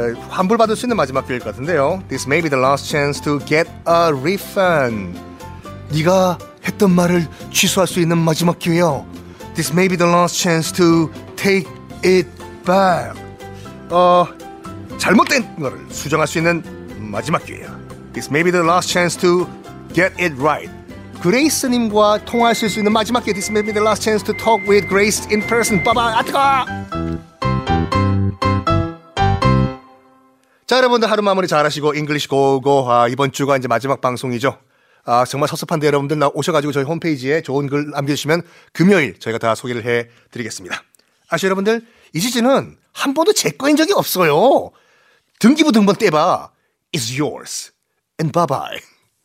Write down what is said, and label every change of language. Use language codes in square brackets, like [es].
[ko] 환불 받을 수 있는 마지막 기회일 것 같은데요. [en] This may be the last chance to get a refund. [ko] 네가 했던 말을 취소할 수 있는 마지막 기회요. [en] This may be the last chance to take it back. [ko] 잘못된 거를 수정할 수 있는 마지막 기회요. [en] This may be the last chance to get it right. [ko] 그레이스님과 통화하실 수 있는 마지막 기회. [en] This may be the last chance to talk with Grace in person. [ko] 봐봐, 아뜨거! 자, 여러분들 하루 마무리 잘하시고 잉글리시 고고 이번 주가 이제 마지막 방송이죠. 아, 정말 섭섭한데 여러분들 나 오셔가지고 저희 홈페이지에 좋은 글 남겨주시면 금요일 저희가 다 소개를 해드리겠습니다. 아시죠 여러분들? 이 시즌은 한 번도 제 거인 적이 없어요. 등기부 등본 떼봐. [en] It's yours. And bye-bye.